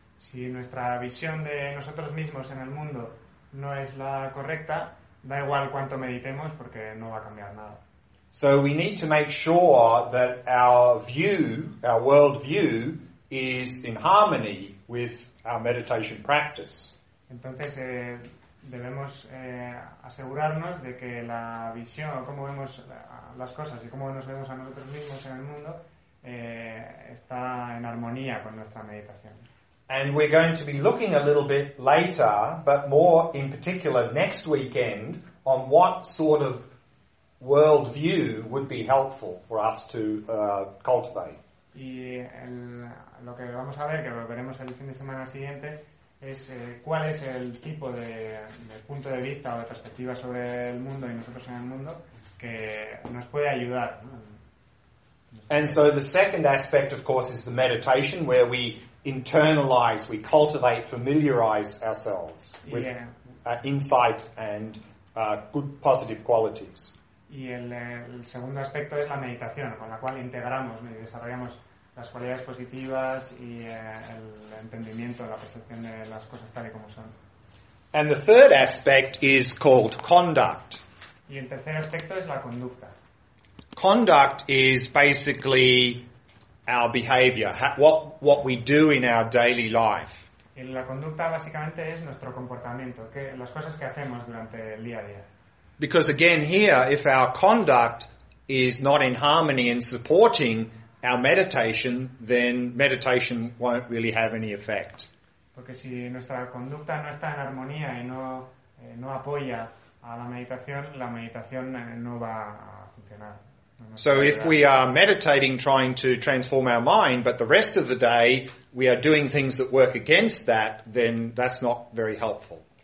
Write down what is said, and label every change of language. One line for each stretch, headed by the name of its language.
Spanish: Si nuestra visión de nosotros mismos en el mundo no es la correcta, da igual cuánto meditemos porque no va a cambiar nada.
English: So we need to make sure that our view, our world view, is in harmony with our meditation practice.
Spanish: Entonces debemos asegurarnos de que la visión, cómo vemos las cosas y cómo nos vemos a nosotros mismos en el mundo, está en armonía con nuestra meditación.
English: And we're going to be looking a little bit later, but more in particular next weekend, on what sort of world view would be helpful for us to cultivate.
Spanish: Y lo que vamos a ver, que lo veremos el fin de semana siguiente, es cuál es el tipo de punto de vista o de perspectiva sobre el mundo y nosotros en el mundo que nos puede ayudar, ¿no?
English: And so the second aspect, of course, is the meditation, where we internalize, we cultivate, familiarize ourselves with insight and good positive qualities.
Spanish: Y el segundo aspecto es la meditación, con la cual integramos y desarrollamos las cualidades positivas y el entendimiento, la percepción de las cosas tal y como son.
English: And the third aspect is called conduct.
Spanish: Y el tercer aspecto es la conducta.
English: Conduct is basically our behavior, what we do in our daily life.
Spanish: En la conducta básicamente es nuestro comportamiento, que las cosas que hacemos durante el día a día.
English: Because again here, if our conduct is not in harmony and supporting our meditation, then meditation won't really have any effect.
Spanish: Porque si nuestra conducta no está en armonía y no apoya a la meditación no va a funcionar.
English: So if we are meditating trying to transform our mind, but the rest of the day we are doing things that work against that, then that's not very helpful.